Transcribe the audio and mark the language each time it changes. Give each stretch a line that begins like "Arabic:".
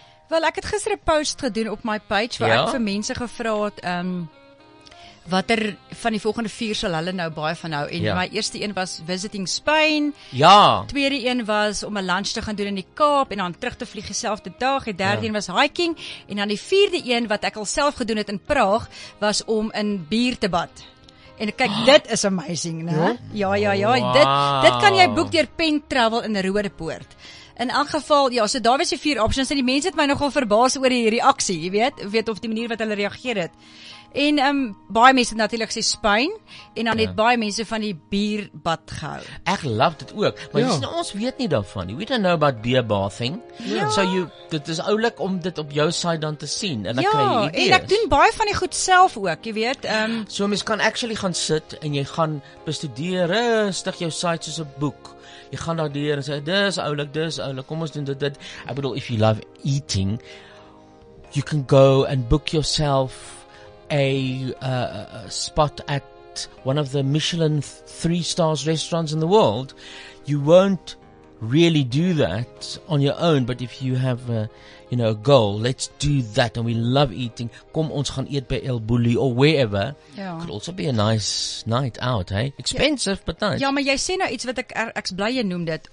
Afrikaans: Wel, ek het gister 'n post gedoen op my page waar ek vir mense gevra het watter van die volgende vier sal hulle nou baie van hou. En my eerste een was
English: visiting Spain.
Afrikaans: Ja. Tweede een was om 'n lunch te gaan doen in die Kaap en dan terug te vlieg dieselfde dag. Die derde een was hiking. En dan die vierde een wat ek al self gedoen het in Praag was om in bier te bad. En kyk, dit is amazing, né? Ja, ja, ja. Wow. Dit kan jy boek deur Pen Travel in Roodepoort. In elk geval, ja, so daar was die vier options en die mense het my nogal verbaas oor die reaksie, jy weet, of die manier wat hulle reageer het. En baie mense het natuurlijk gesê Spain en dan het baie mense van die bierbad gehou. Ek love dit ook, maar jy sê, ons weet nie daarvan.
English: We don't know about beer bathing.
Afrikaans: Ja. So dit is oulik om dit op jou site dan te sien en dan kry jy idees. Ja, en ek doen baie van die goed self ook, jy weet. So mense kan actually gaan sit en jy gaan bestudeer rustig jou site soos 'n boek. Jy gaan daar deur en sê, dis oulik, kom ons doen dit.
English: Ek bedoel, if you love eating, you can go and book yourself a spot at one of the Michelin 3 stars restaurants in the world. You won't really do that on your own, but if you have a goal, let's do that, and we love eating.
Afrikaans: Kom, ons gaan eet by El Bulli
English: or wherever. Yeah. Could also be a nice night out, hey? Expensive, but nice.
Afrikaans: Ja, maar jy sê nou iets wat ek bly jy noem dit.